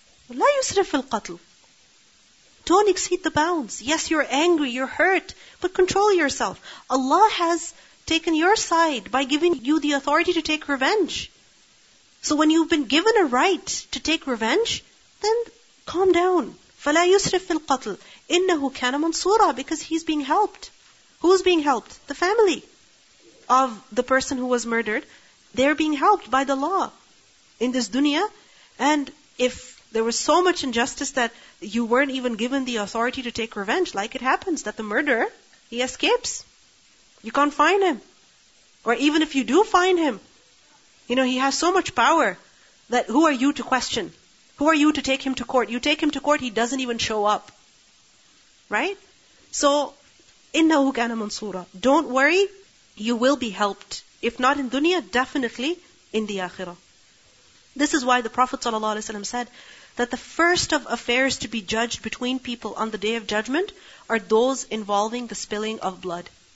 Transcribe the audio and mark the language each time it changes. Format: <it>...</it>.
<ar>لا يسرف القتل.</ar> <en>Don't exceed the bounds. Yes, you're angry, you're hurt, but control yourself. Allah has taken your side by giving you the authority to take revenge. So when you've been given a right to take revenge, then calm down.</en> <ar>فلا يسرف في القتل إنه كان منصورا.</ar> <en>Because he's being helped. Who's being helped? The family of the person who was murdered. They're being helped by the law in this dunya. And if there was so much injustice that you weren't even given the authority to take revenge, like it happens that the murderer, he escapes. You can't find him. Or even if you do find him, you know, he has so much power that who are you to question? Who are you to take him to court? You take him to court, he doesn't even show up. Right?</en> <ar>So, إِنَّهُ كَانَ مَنْصُورًا.</ar> <en>Don't worry, you will be helped. If not in dunya, definitely in the akhirah. This is why the Prophet ﷺ said that the first of affairs to be judged between people on the Day of Judgment are those involving the spilling of blood.</en>